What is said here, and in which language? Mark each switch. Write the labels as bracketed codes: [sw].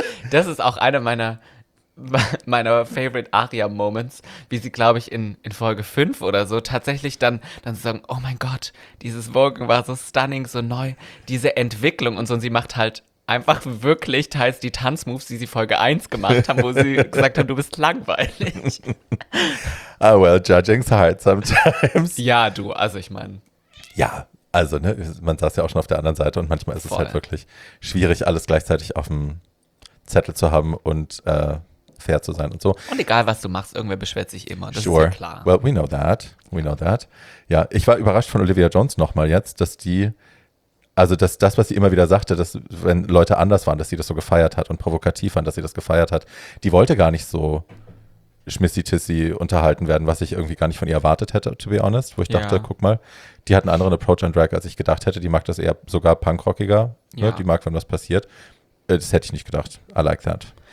[de] Das ist auch einer meiner favorite Aria-Moments, wie sie, glaube ich, in Folge 5 oder so tatsächlich dann sagen, oh mein Gott, dieses Vogue war so stunning, so neu, diese Entwicklung und so. Und sie macht halt einfach wirklich teils die Tanzmoves, die sie Folge 1 gemacht haben, wo sie gesagt haben, du bist langweilig. [en] Ah, well, judging's hard sometimes. [de] Ja, du, also ich meine. Ja, also ne, man saß ja auch schon auf der anderen Seite und manchmal ist es halt wirklich schwierig, alles gleichzeitig auf dem Zettel zu haben und fair zu sein und so. Und egal, was du machst, irgendwer beschwert sich immer, das ist ja klar. [en] Well, we know that. [de] Ja, ich war überrascht von Olivia Jones nochmal jetzt, dass was sie immer wieder sagte, dass wenn Leute anders waren, dass sie das so gefeiert hat und provokativ waren, dass sie das gefeiert hat, die wollte gar nicht so schmissi-tissi unterhalten werden, was ich irgendwie gar nicht von ihr erwartet hätte, [en] to be honest, [de] wo ich dachte, guck mal, die hat einen anderen Approach an Drag, als ich gedacht hätte, die mag das eher sogar punkrockiger, ne? Die mag, wenn was passiert. Das hätte ich nicht gedacht. [en] I like that.